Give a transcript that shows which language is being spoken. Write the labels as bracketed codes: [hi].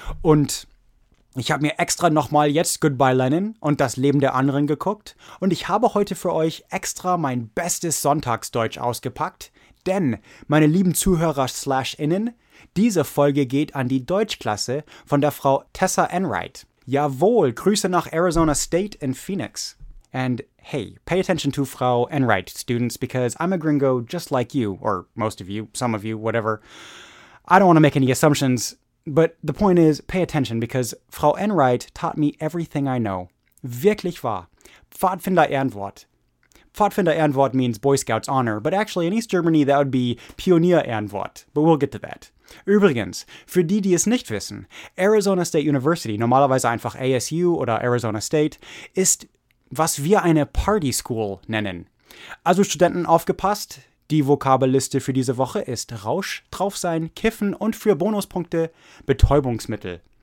[de] Und ich habe mir extra nochmal jetzt Goodbye Lenin und das Leben der anderen geguckt. Und ich habe heute für euch extra mein bestes Sonntagsdeutsch ausgepackt. Denn, meine lieben Zuhörer/Innen, diese Folge geht an die Deutschklasse von der Frau Tessa Enright. Jawohl, Grüße nach Arizona State in Phoenix. [en] And hey, pay attention to Frau Enright, students, because I'm a gringo just like you, or most of you, some of you, whatever. I don't want to make any assumptions, but the point is, pay attention, because Frau Enright taught me everything I know. [de] Wirklich wahr. Pfadfinder Ehrenwort. [en] Pfadfinder Ehrenwort means Boy Scouts honor, but actually in East Germany that would be Pionier Ehrenwort, but we'll get to that. [de] Übrigens, für die, die es nicht wissen, Arizona State University, normalerweise einfach ASU oder Arizona State, ist, was wir eine Party School nennen. Also Studenten, aufgepasst, die Vokabelliste für diese Woche ist Rausch, Draufsein, Kiffen und für Bonuspunkte Betäubungsmittel.